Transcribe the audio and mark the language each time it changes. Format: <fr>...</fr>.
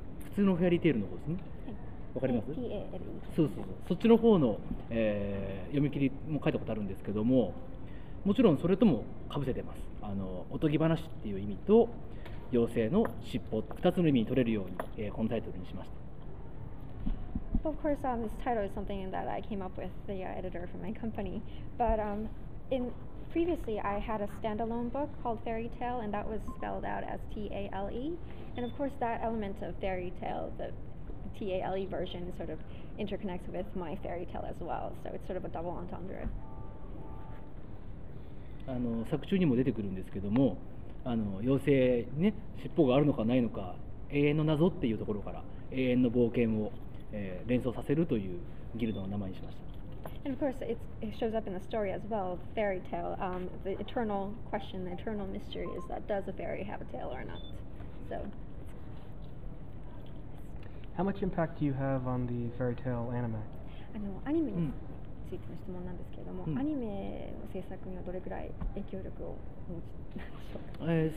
<ja>普通のフェアリーテールの方ですね。わかります。そう。そっちの方の、読み切りも書いたことあるんですけども、もちろんそれとも被せてます。おとぎ話っていう意味と妖精の尻尾、二つの意味に取れるように、このタイトルにしました。</ja> <en>Of course, this title is something that I came up with the editor from my company. But in previously, I had a standalone book called Fairy Tale, and that was spelled out as T-A-L-E. And of course, that element of fairy tale, theTALE version sort of interconnects with my fairy tale as well. So it's sort of a double entendre.</en> <ja>作中にも出てくるんですけども、妖精ね、尻尾があるのかないのか、永遠の謎っていうところから永遠の冒険を、連想させるというギルドの名前にしました。</ja> <en>And of course, it shows up in the story as well, fairy tale. The eternal question, the eternal mystery is that does a fairy have a tail or not? So. How much impact do you have on the fairy tale anime?</en> <ja>アニメについての質問なんですけれども、アニメの制作にはどれくらい影響力を持ちなんでしょうか。</ja>